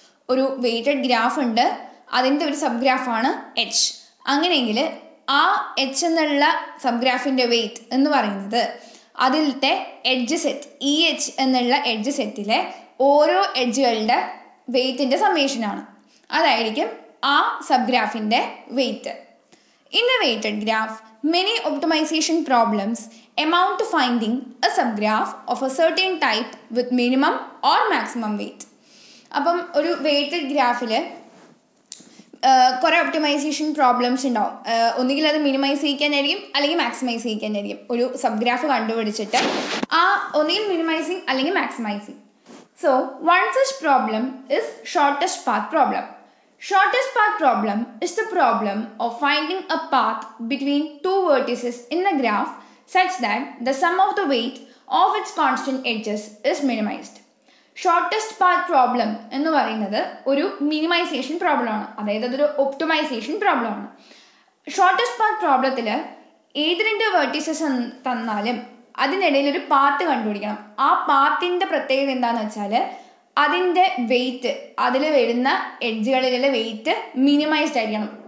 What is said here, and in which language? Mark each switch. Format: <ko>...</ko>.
<ml>ഒരു weighted graph ഉണ്ട്, അതിൻ്റെ ഒരു സബ് ഗ്രാഫാണ് എച്ച്. അങ്ങനെയെങ്കിൽ ആ എച്ച് എന്നുള്ള സബ് ഗ്രാഫിൻ്റെ വെയ്റ്റ് എന്ന് പറയുന്നത് അതിലത്തെ എഡ്ജ് സെറ്റ് ഇ എച്ച് എന്നുള്ള എഡ്ജ് സെറ്റിലെ ഓരോ എഡ്ജുകളുടെ വെയ്റ്റിൻ്റെ സമ്മേഷനാണ്. അതായിരിക്കും ആ sub ഗ്രാഫിൻ്റെ weight.</ml> <en>In a weighted graph many optimisation problems amount to finding a subgraph of a certain type with minimum or maximum weight.</en> <ml>അപ്പം ഒരു വെയ്റ്റഡ് ഗ്രാഫിൽ കുറേ ഒപ്റ്റമൈസേഷൻ പ്രോബ്ലംസ് ഉണ്ടാവും. ഒന്നുകിൽ അത് മിനിമൈസ് ചെയ്യിക്കാനായിരിക്കും അല്ലെങ്കിൽ മാക്സിമൈസ് ചെയ്യിക്കാനായിരിക്കും. ഒരു സബ് ഗ്രാഫ് കണ്ടുപിടിച്ചിട്ട് ആ ഒന്നുകിൽ മിനിമൈസിങ് അല്ലെങ്കിൽ maximising.</ml> <en>So one such problem is shortest path problem. Shortest path problem is the problem of finding a path between two vertices in a graph such that the sum of the weight of its constant edges is minimized.</en> <ml>Shortest path problem എന്ന് പറയുന്നത് ഒരു minimisation problem ആണ്, അതായത് അതൊരു ഒപ്റ്റമൈസേഷൻ problem ആണ്. Shortest path പ്രോബ്ലത്തിൽ ഏത് രണ്ട് vertices തന്നാലും അതിനിടയിൽ ഒരു പാത്ത് കണ്ടുപിടിക്കണം. ആ പാത്തിൻ്റെ പ്രത്യേകത എന്താണെന്ന് വെച്ചാൽ അതിൻ്റെ വെയ്റ്റ്, അതിൽ വരുന്ന എഡ്ജുകളിലെ വെയ്റ്റ് മിനിമൈസ്ഡ് ആയിരിക്കണം.</ml>